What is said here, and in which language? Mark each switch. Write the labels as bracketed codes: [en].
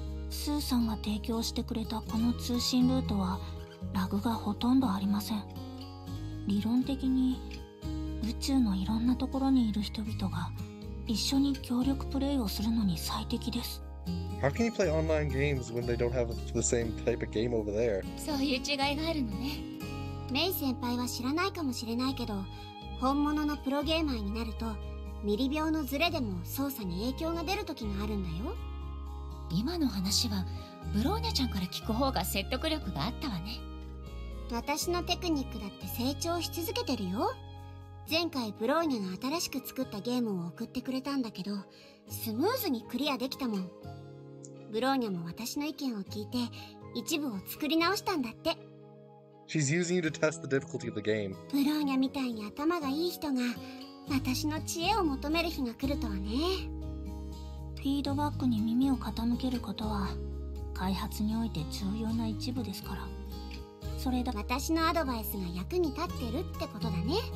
[ja] スーさんが提供してくれたこの通信ルートはラグがほとんどありません。理論的に宇宙のいろんなところにいる人々が一緒に協力プレイをするのに最適です。 [en] How can you play online games when they don't have the same type of game over there? [ja] そういう違いがあるのね。メイ先輩は知らないかもしれないけど、本物のプロゲーマーになるとミリ秒のズレでも操作に影響が出る時があるんだよ。今の話はブローニャちゃんから聞く方が説得力があったわね。私のテクニックだって成長し続けてるよ。前回ブローニャが新しく作ったゲームを送ってくれたんだけど、スムーズにクリアできたもん。ブローニャも私の意見を聞いて一部を作り直したんだって。 [en] She's using you to test the difficulty of the game. [ja] ブローニャみたいに頭がいい人が私の知恵を求める日が来るとはね。フィードバックに耳を傾けることは開発において重要な一部ですから。それだ。私のアドバイスが役に立ってるってことだね。